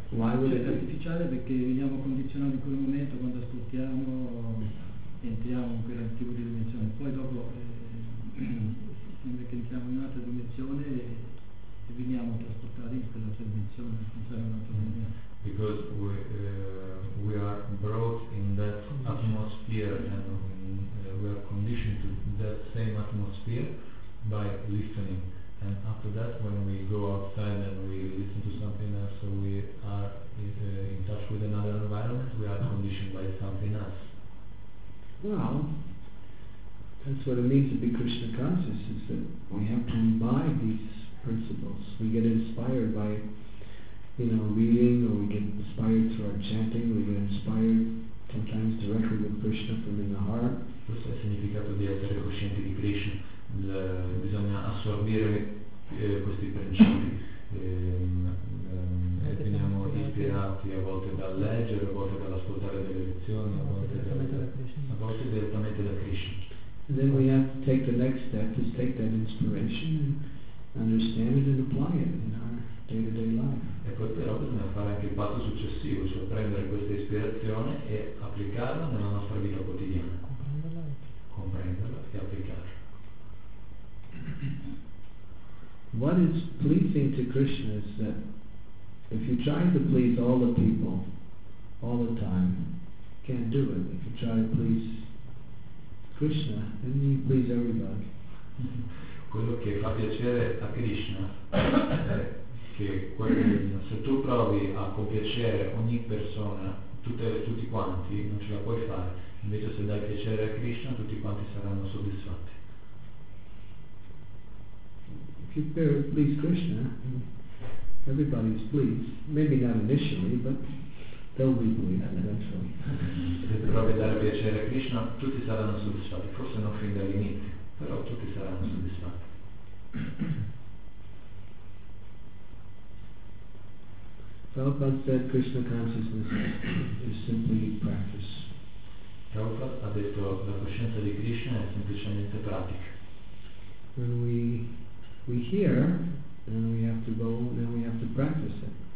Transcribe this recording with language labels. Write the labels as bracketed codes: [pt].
[it] Cioè, è artificiale perché veniamo condizionati in quel momento, quando ascoltiamo, entriamo in quella tipo di dimensione. Poi dopo sembra che entriamo in un'altra dimensione e veniamo trasportati in quell'altra dimensione, funziona in un'altra maniera. [en] Because we are brought in that atmosphere and we are conditioned to that same atmosphere by listening. And after that, when we go outside and we listen to something else, we are in touch with another environment, we are conditioned by something else. Well, that's what it means to be Krishna conscious, is that we have to imbibe these principles. We get inspired by, you know, reading, or we get inspired through our chanting, we get inspired sometimes directly with Krishna from in the heart. [it] Questo è il significato di essere coscienti di Krishna. Bisogna assorbire questi principi. Veniamo ispirati a volte dal leggere, a volte dall'ascoltare delle lezioni, a volte direttamente da Krishna. [en] And then we have to take the next step, is take that inspiration and understand it and apply it in our day-to-day life. [it] E poi però bisogna fare anche il passo successivo, cioè prendere questa ispirazione e applicarla nella nostra vita quotidiana. Comprenderla e applicarla. [en] What is pleasing to Krishna is that if you try to please all the people all the time, you can't do it. If you try to please Krishna, then you please everybody. [it] Quello che fa piacere a Krishna è che quello, se tu provi a compiacere ogni persona, tutti quanti, non ce la puoi fare. Invece se dai piacere a Krishna, tutti quanti saranno soddisfatti. [en] If you please Krishna, everybody is pleased. Maybe not initially, but they'll be pleased eventually. [it] Se provi a dare piacere a Krishna, tutti saranno soddisfatti. Forse non fin dall'inizio, però tutti saranno soddisfatti. [en] Prabhupada said Krishna consciousness is simply practice. [it] Prabhupada ha detto la coscienza di Krishna è semplicemente pratica. [en] When we hear, then we have to go, then we have to practice it.